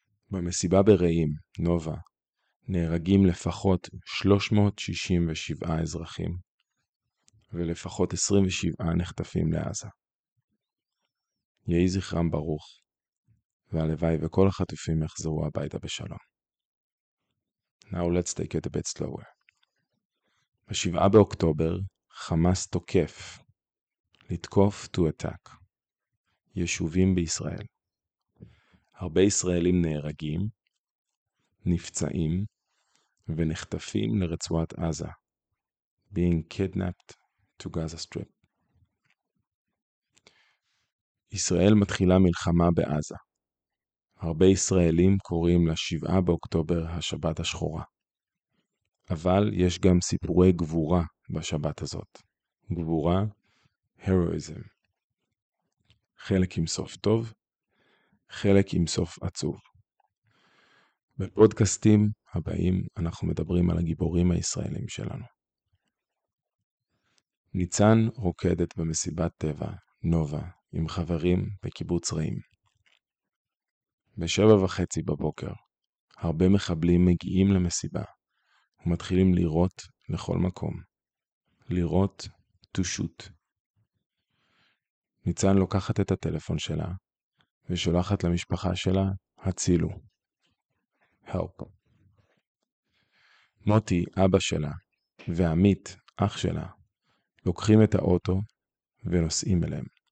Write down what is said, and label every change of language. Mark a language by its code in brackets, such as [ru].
[he] במסיבה ברעים, נובה, נהרגים לפחות 367 אזרחים, ולפחות 27 נחטפים לעזה. יהי זכרם ברוך, והלוואי וכל החטופים יחזרו הביתה בשלום. [en] Now let's take it a bit slower. [he] ב-7 באוקטובר, חמאס תוקף. לתקוף, [en] to attack. [he] יישובים בישראל. הרבה ישראלים נהרגים, נפצעים ונחטפים לרצועת עזה. [en] Being kidnapped to Gaza Strip. [he] ישראל מתחילה מלחמה בעזה. הרבה ישראלים קוראים ל-7 באוקטובר השבת השחורה. אבל יש גם סיפורי גבורה בשבת הזאת. גבורה, [en] heroism. [he] חלק עם סוף טוב, חלק עם סוף עצוב. בפודקאסטים הבאים אנחנו מדברים על הגיבורים הישראלים שלנו. ניצן רוקדת במסיבת טבע, נובה, עם חברים בקיבוץ רעים. ב7:30 בבוקר, הרבה מחבלים מגיעים למסיבה ומתחילים לירות לכל מקום. לירות, [en] to shoot. [he] ניצן לוקחת את הטלפון שלה ושולחת למשפחה שלה הצילו. [en] Help. [he] מוטי, אבא שלה, ועמית, אח שלה, לוקחים את האוטו ונוסעים אליהם.